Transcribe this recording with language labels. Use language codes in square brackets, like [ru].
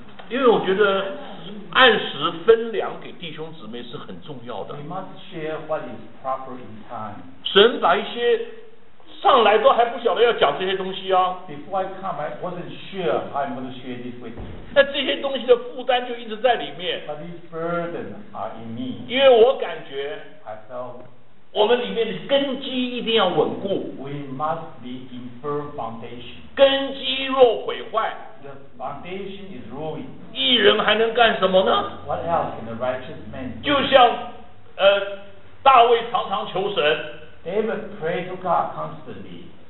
[zh] 因为我觉得按时分粮给弟兄姊妹是很重要的。 [en] We must share what is proper in time。 [zh] 神把一些上来都还不晓得要讲这些东西啊。 [en] Before I come, I wasn't sure how I'm going to share this with you. [zh] 那这些东西的负担就一直在里面。 [en] But these burdens are in me. [zh] 因为我感觉 [en] ，I felt [zh] 我们里面的根基一定要稳固。 [en] We must be in firm foundation. [zh] 根基若毁坏 [en] ，The foundation is ruined. [zh] 义人还能干什么呢 [en] ？What else can a righteous man do? [zh] 就像大卫常常求神。 [en] David prayed to God constantly.